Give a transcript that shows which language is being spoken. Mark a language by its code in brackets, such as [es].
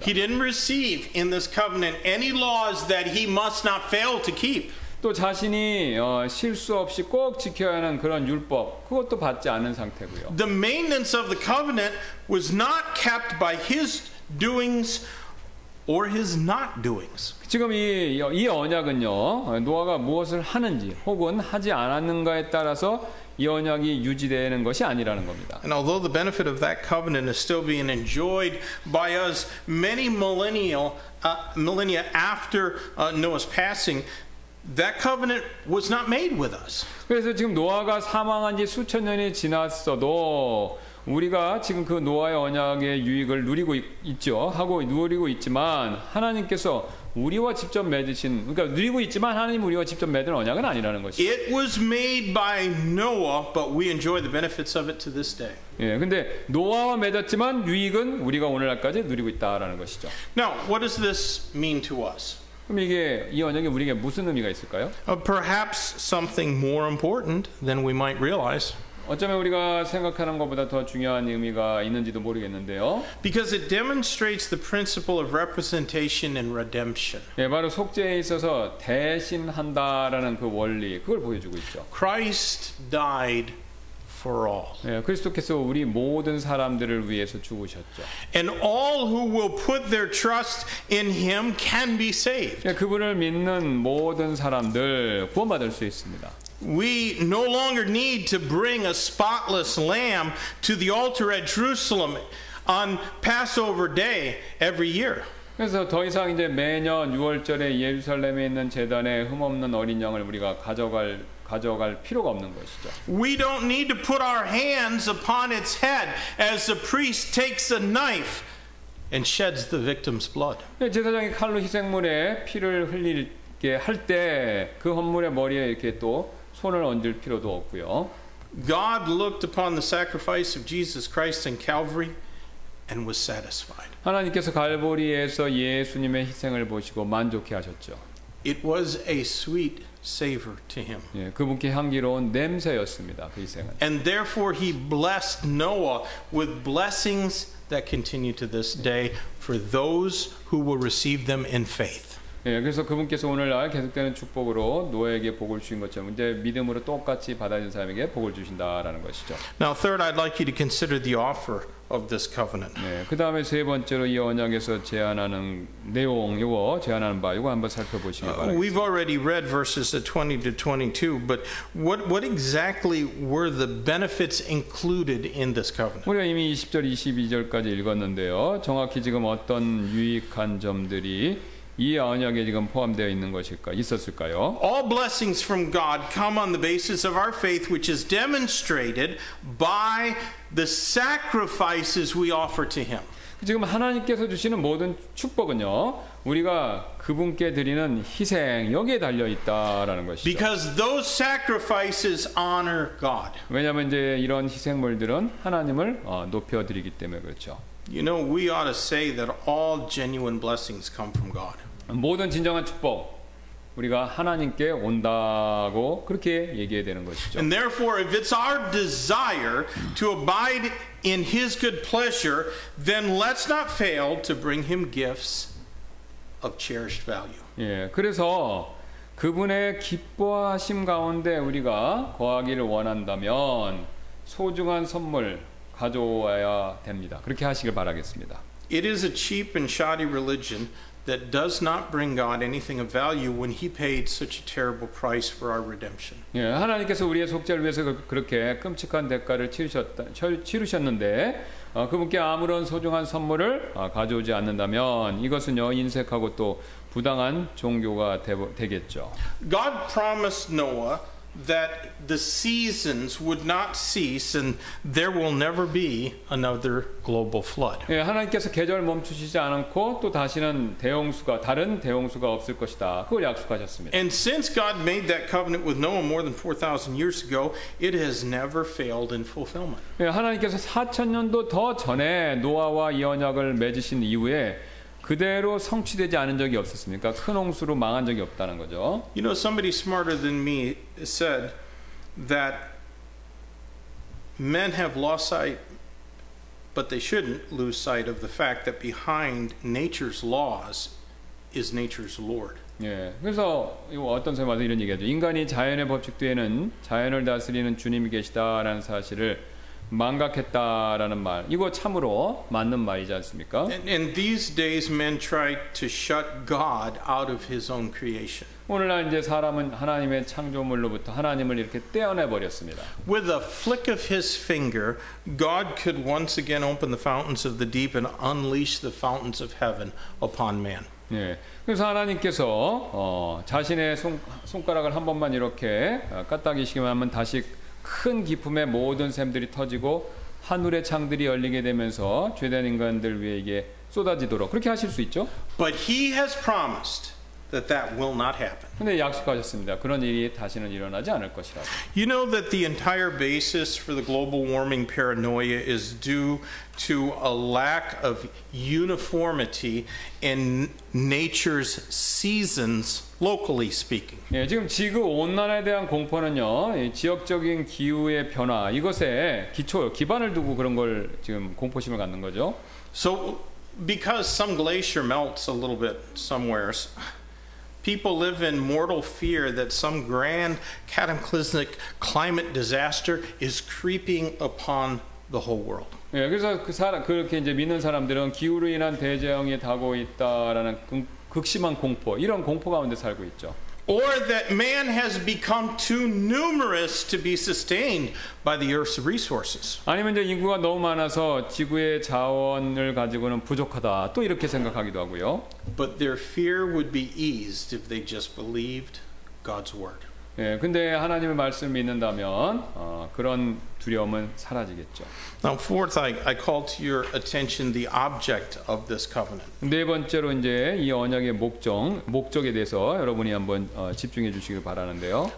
[en] He didn't receive in this covenant any laws that he must not fail to keep. [ko] 또 자신이 실수 없이 꼭 지켜야 하는 그런 율법 그것도 받지 않은 상태고요. [en] The maintenance of the covenant was not kept by his doings. Or his not doings. [ko] 지금 이 언약은요 노아가 무엇을 하는지 혹은 하지 않았는가에 따라서 이 언약이 유지되는 것이 아니라는 겁니다. [en] And although the benefit of that covenant is still being enjoyed by us many millennia after Noah's passing, that covenant was not made with us. [ko] 그래서 지금 노아가 사망한 지 수천 년이 지났어도 우리가 지금 그 노아의 언약의 유익을 누리고 있죠. 하고 누리고 있지만 하나님께서 우리와 직접 맺으신 그러니까 누리고 있지만 하나님 우리와 직접 맺은 언약은 아니라는 것이죠. [en] It was made by Noah, but we enjoy the benefits of it to this day. [ko] 예, 근데 노아와 맺었지만 유익은 우리가 오늘날까지 누리고 있다라는 것이죠. [en] Now, what does this mean to us? [ko] 그럼 이게 이 언약이 우리에게 무슨 의미가 있을까요? [en] Perhaps something more important than we might realize. [ko] 어쩌면 우리가 생각하는 것보다 더 중요한 의미가 있는지도 모르겠는데요. [en] Because it demonstrates the principle of representation and redemption. [ko] 예, 바로 속죄에 있어서 대신한다라는 그 원리 그걸 보여주고 있죠. [en] Christ died for all. [ko] 예, 그리스도께서 우리 모든 사람들을 위해서 죽으셨죠. [en] And all who will put their trust in him can be saved. [ko] 예, 그분을 믿는 모든 사람들 구원받을 수 있습니다. [en] We no longer need to bring a spotless lamb to the altar at Jerusalem on Passover day every year. [ko] 그래서 더 이상 이제 매년 유월절에 예루살렘에 있는 제단에 흠 없는 어린 양을 우리가 가져갈 필요가 없는 것이죠. [en] We don't need to put our hands upon its head as the priest takes a knife and sheds the victim's blood. [ko] 제사장이 칼로 희생물에 피를 흘리게 할 때 그 헌물의 머리에 이렇게 또 손을 얹을 필요도 없고요. [en] God looked upon the sacrifice of Jesus Christ in Calvary and was satisfied. [ko] 하나님께서 갈보리에서 예수님의 희생을 보시고 만족해 하셨죠. [en] It was a sweet savor to him. [ko] 예, 그분께 향기로운 냄새였습니다. 그 희생은. [en] And therefore he blessed Noah with blessings that continue to this day for those who will receive them in faith. [ko] 예, 그래서 그분께서 오늘날 계속되는 축복으로 노아에게 복을 주신 것처럼 이제 믿음으로 똑같이 받아들인 사람에게 복을 주신다라는 것이죠. [en] Now third, I'd like you to consider the offer of this covenant. [ko] 네, 그 다음에 세 번째로 이 언약에서 제안하는 내용, 이거 제안하는 바 이거 한번 살펴보시기 바랍니다. [en] We've already read verses 20 to 22, but what exactly were the benefits included in this covenant? [ko] 우리가 이미 20절, 22절까지 읽었는데요. 정확히 지금 어떤 유익한 점들이 이 언약에 지금 포함되어 있는 것일까 있었을까요? [en] All blessings from God come on the basis of our faith, which is demonstrated by the sacrifices we offer to Him. [ko] 지금 하나님께서 주시는 모든 축복은요, 우리가 그분께 드리는 희생 여기에 달려 있다라는 것이죠. [en] Because those sacrifices honor God. [ko] 왜냐하면 이제 이런 희생물들은 하나님을 높여 드리기 때문에 그렇죠. [en] You know, we ought to say that all genuine blessings come from God. [ko] 모든 진정한 축복 우리가 하나님께 온다고 그렇게 얘기해야 되는 것이죠. [en] And therefore, if it's our desire to abide in His good pleasure, then let's not fail to bring Him gifts of cherished value. [ko] 예, 그래서 그분의 기뻐하심 가운데 우리가 거하기를 원한다면 소중한 선물 가져와야 됩니다. 그렇게 하시길 바라겠습니다. [en] It is a cheap and shoddy religion that does not bring God anything of value when He paid such a terrible price for our redemption. [ko] 예, 하나님께서 우리의 속죄를 위해서 그렇게 끔찍한 대가를 치르셨는데 그분께 아무런 소중한 선물을 가져오지 않는다면 이것은요 인색하고 또 부당한 종교가 되겠죠. [en] God promised Noah that the seasons would not cease and there will never be another global flood. [ko] 예, 하나님께서 계절 멈추시지 않고 또 다시는 다른 대홍수가 없을 것이다. 그걸 약속하셨습니다. [en] And since God made that covenant with Noah more than 4000 years ago, it has never failed in fulfillment. [ko] 예, 하나님께서 4000년도 더 전에 노아와 이 언약을 맺으신 이후에 그대로 성취되지 않은 적이 없었습니까? 큰 홍수로 망한 적이 없다는 거죠. [en] You know, somebody smarter than me said that men have lost sight, but they shouldn't lose sight of the fact that behind nature's laws is nature's Lord. [ko] 예, 그래서 어떤 사람한테 이런 얘기하죠. 인간이 자연의 법칙 뒤에는 자연을 다스리는 주님이 계시다라는 사실을 망각했다라는 말. 이거 참으로 맞는 말이지 않습니까? [en] In these days, men try to shut God out of His own creation. [ko] 오늘날 이제 사람은 하나님의 창조물로부터 하나님을 이렇게 떼어내 버렸습니다. [en] With a flick of His finger, God could once again open the fountains of the deep and unleash the fountains of heaven upon man. [ko] 예. 그래서 하나님께서 자신의 손가락을 한 번만 이렇게 까딱이시기만 하면 다시 큰 기품의 모든 샘들이 터지고 하늘의 창들이 열리게 되면서 죄된 인간들 위에게 쏟아지도록 그렇게 하실 수 있죠. [en] But he has promised that that will not happen. [ko] 근데 약속하셨습니다. 그런 일이 다시는 일어나지 않을 것이라고. [en] You know that the entire basis for the global warming paranoia is due to a lack of uniformity in nature's seasons, locally speaking. [ko] 예, 지금 지구 온난화에 대한 공포는요, 지역적인 기후의 변화 이것에 기초, 기반을 두고 그런 걸 지금 공포심을 갖는 거죠. [en] So because some glacier melts a little bit somewhere. People live in mortal fear that some grand cataclysmic climate disaster is creeping upon the whole world. [ko] 예, 그래서 그 사람 그렇게 이제 믿는 사람들은 기후로 인한 대재앙이 다가오고 있다라는 극심한 공포, 이런 공포 가운데 살고 있죠. [en] Or that man has become too numerous to be sustained by the earth's resources. [ko] 아니면 이제 인구가 너무 많아서 지구의 자원을 가지고는 부족하다. 또 이렇게 생각하기도 하고요. [en] But their fear would be eased if they just believed God's word. [ko] 예, 근데 하나님의 말씀을 믿는다면 그런 두려움은 사라지겠죠. [en] Now fourth, I call to your attention the object of this covenant. [ko] 네 번째로 이제 이 언약의 목적에 대해서 여러분이 한번 집중해 주시길 바라는데요.